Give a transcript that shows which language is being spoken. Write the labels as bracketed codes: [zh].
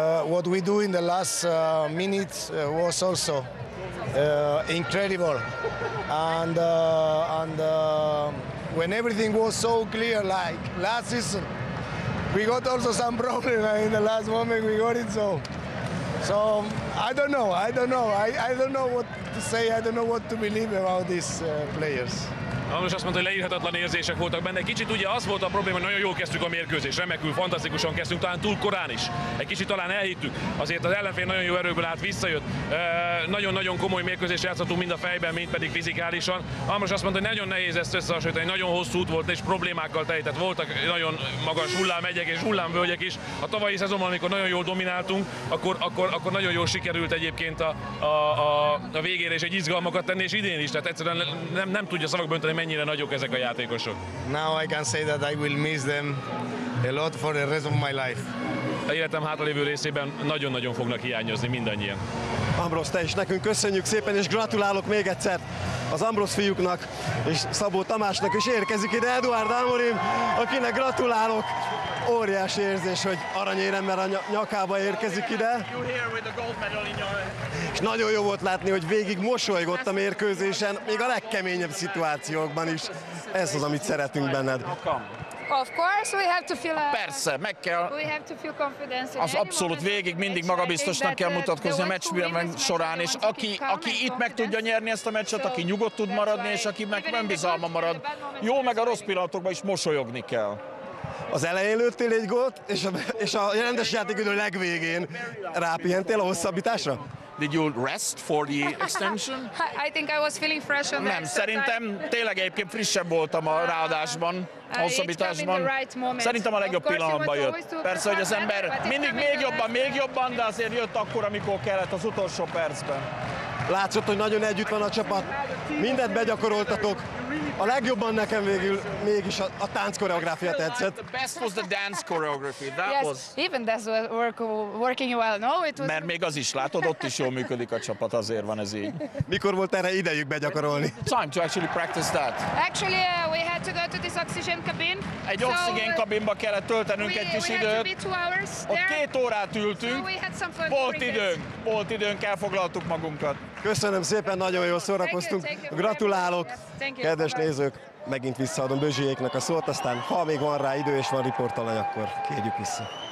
[en] What we do in the last minutes was also incredible, and when everything was so clear, like last season, we got also some problems in the last moment. We got it, so I don't know. I don't know. I don't know what to say. I don't know what to believe about these players. [hu] Ambrus azt mondta, hogy leírhatatlan érzések voltak benne. Kicsit ugye az volt a probléma, hogy nagyon jól kezdtük a mérkőzést, remekül, fantasztikusan kezdtünk, talán túl korán is. Egy kicsit talán elhittük, azért az ellenfél nagyon jó erőből állt, visszajött. Nagyon-nagyon komoly mérkőzést játszottunk mind a fejben, mind pedig fizikálisan. Ambrus azt mondta, hogy nagyon nehéz ezt összehasonlítani, nagyon hosszú út volt és problémákkal teli. Tehát voltak nagyon magas hullámegyek és hullámvölgyek is. A tavalyi szezonban, amikor nagyon jól domináltunk, akkor nagyon jól sikerült egyébként a végére is egy izgalmakat tenni, és idén is. Tehát egyszerűen nem tudja szavakba önteni, mennyire nagyok ezek a játékosok. [en] Now I can say that I will miss them a lot for the rest of my life. [hu] A életem hátralévő részében nagyon-nagyon fognak hiányozni mindannyian. Ambrus, te is nekünk köszönjük szépen, és gratulálok még egyszer az Ambrus fiúknak és Szabó Tamásnak, és érkezik ide Eduard Amorim, akinek gratulálok. Óriási érzés, hogy aranyéremmel a nyakába érkezik ide. És nagyon jó volt látni, hogy végig mosolygott a mérkőzésen, még a legkeményebb szituációkban is. Ez az, amit szeretünk benned. [en] Of course we have to feel [hu] persze, meg kell. [en] We have to feel confidence. [hu] Az abszolút végig mindig magabiztosnak kell mutatkozni a meccs során, és aki itt meg tudja nyerni ezt a meccset, aki nyugodt tud maradni, és aki meg önbizalma marad. Jó, meg a rossz pillanatokban is mosolyogni kell. Az elején lőttél egy gólt, és a rendes játékidő legvégén rápihentél a hosszabbításra? [en] Did you rest for the extension? I think I was feeling fresh on [hu] nem, szerintem tényleg egyébként frissebb voltam a ráadásban, hosszabbításban. [en] Right, [hu] szerintem a legjobb pillanatban jött. Persze, hogy az ember mindig még jobban, de azért jött akkor, amikor kellett az utolsó percben. Látszott, hogy nagyon együtt van a csapat. Mindent begyakoroltatok. A legjobban nekem végül mégis a tánc koreográfia tetszett. [en] The best was the dance choreography. That yes, was. Even that was working well. No, it was. [hu] Mert még az is, látod, ott is jól működik a csapat, azért van ez így. Mikor volt erre idejük begyakorolni? [en] Time to actually practice that. Actually, we had to go to this oxygen cabin. [hu] Egy so, oxigén kabinba kellett töltenünk egy kis időt. [en] We had to be 2 hours there. [hu] Ott 2 órát ültünk. [en] So we had some fun. [hu] Volt időnk, elfoglaltuk magunkat. Köszönöm szépen, nagyon jól szórakoztunk. Gratulálok, kedves nézők, megint visszaadom Bözsijéknek a szót, aztán ha még van rá idő és van riportalany, akkor kérjük vissza.